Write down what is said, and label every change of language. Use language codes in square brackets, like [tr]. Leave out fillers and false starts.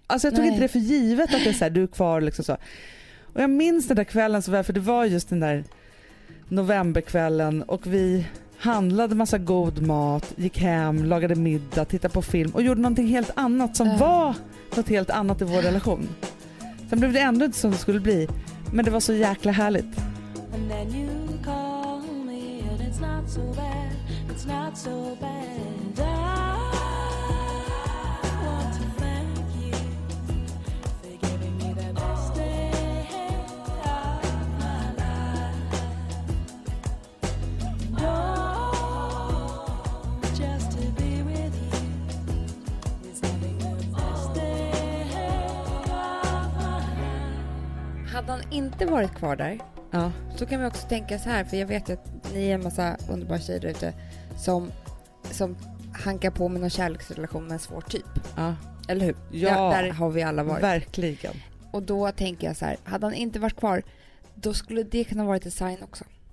[sv] Alltså jag tog inte det för givet att det är så här, du är kvar liksom så. Och jag minns den där kvällen så väl, för det var just den där novemberkvällen och vi handlade massa god mat, gick hem, lagade middag, tittade på film och gjorde någonting helt annat som var något helt annat i vår relation. Sen blev det ändå inte som det skulle bli. Men det var så jäkla härligt. [en] And then you call me and it's not so bad. It's not so bad. I want to thank you for giving me the best day of my life. Just to be with you is having the best day of my life. [sv] Hade han inte varit kvar där? Ja. Så kan vi också tänka så här, för jag vet att ni är en massa underbara tjejer där ute som hankar på med någon kärleksrelation med en svår typ. Ja. Eller hur? Ja, där har vi alla varit. Verkligen. Och då tänker jag så här, hade han inte varit kvar, då skulle det kunna vara ett sign också.